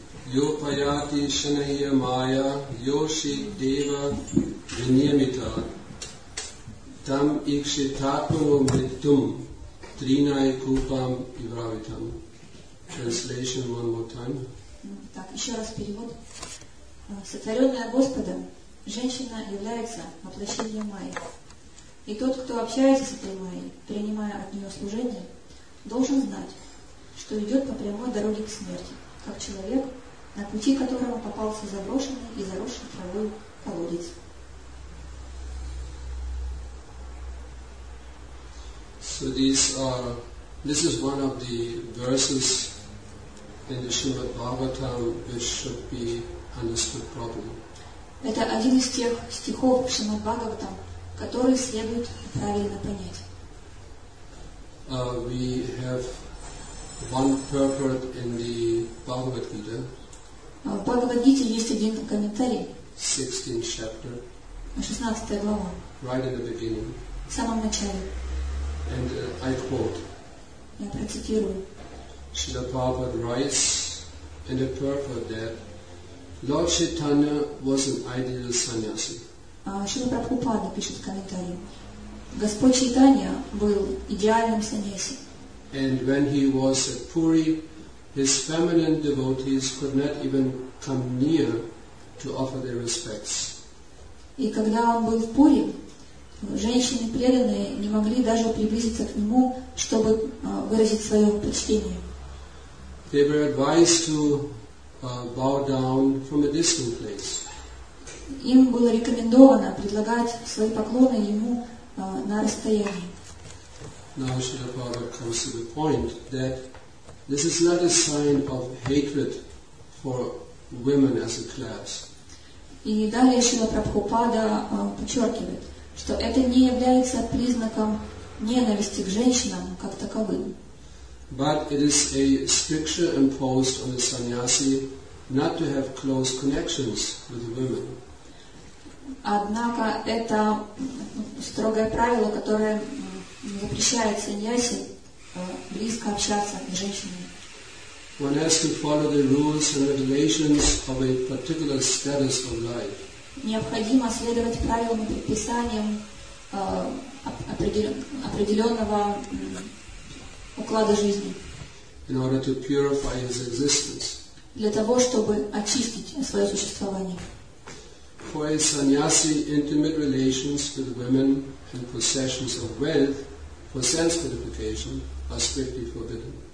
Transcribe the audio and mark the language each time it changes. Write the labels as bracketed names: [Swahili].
[Sanskrit] Йопаяти шанайя майя, йоши дева виньямита, там икшитатмано мритьом, тринай купам ивравитам. [English] Translation one more time. [Russian] Так, еще раз перевод. Сотворенная Господом, женщина является воплощением Майи. И тот, кто общается с этой Майей, принимая от нее служение, должен знать, что идет по прямой дороге к смерти, как человек, на пути которого попался заброшенный и заросший травой колодец. [English] So this is one of the verses in the Shrimad Bhagavatam which should be understood properly. [Russian] Это один из тех стихов Шримад Бхагаватам, которые следует правильно понять. [English] We have one purport in the Bhagavad Gita. [Russian] В Бхагавад Гите есть один комментарий. [English] 16th chapter. [Russian] 16 глава. [English] Right in the beginning. [Russian] В самом начале. [English] And I quote. [Russian] Я процитирую. [English] Шрила Прабхупада writes in the purport that Lord Chaitanya was an ideal sannyasi. [Russian] Шрила Прабхупада пишет комментарий. Господь Чайтанья был идеальным саньяси. [English] And when he was at Puri, his feminine devotees could not even come near to offer their respects. [Russian] И когда он был в Пури, женщины преданные не могли даже приблизиться к нему, чтобы выразить свое почтение. [English] They were advised to bow down from a distant place. [Russian] им было рекомендовано предлагать свои поклоны ему на расстоянии. [English] Now Srila Prabhupada comes to the point that this is not a sign of hatred for women as a class. [Russian] И далее Шрила Прабхупада подчеркивает, что это не является признаком ненависти к женщинам как таковым. [English] But it is a stricture imposed on the sannyasi not to have close connections with women. [Russian] Однако это строгое правило, которое запрещает саньяси близко общаться с женщинами. [English] One has to follow the rules and regulations of a particular status of life. [Russian] Необходимо следовать правилам и предписаниям определенного уклада жизни. [English] In order to purify his existence. [Russian] Для того, чтобы очистить свое существование. [English] For a sannyasi, intimate relations with women and possessions of wealth for sense gratification are strictly forbidden.